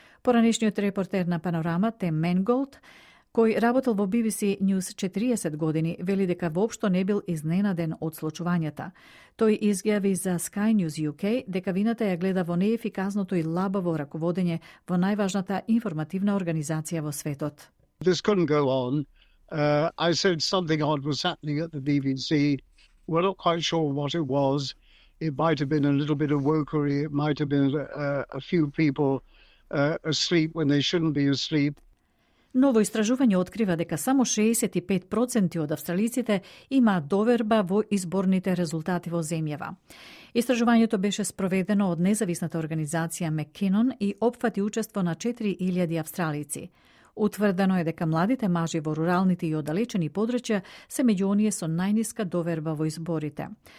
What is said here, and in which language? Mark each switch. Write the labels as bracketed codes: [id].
[mk] Поранешниот репортер на Панорама, Тем Менголд, кој работел во BBC News 40 години, вели дека воопшто не бил изненаден од случувањата. Тој изјави за Sky News UK дека вината ја гледа во неефиказното и лабаво раководење во најважната информативна организација во светот. [en] This couldn't go on. I said something odd was happening at the BBC. We're not quite sure what it was. It might have been a little bit of wokery. It might have been a few people asleep when they shouldn't be asleep. [mk] Ново истражување открива дека само 65% од австралиците имаат доверба во изборните резултати во земјава. Истражувањето беше спроведено од независната организација McKinnon и опфати учество на 4000 австралици. Утврдено е дека младите мажи во руралните и оддалечени подрачја се меѓу оние со најниска доверба во изборите.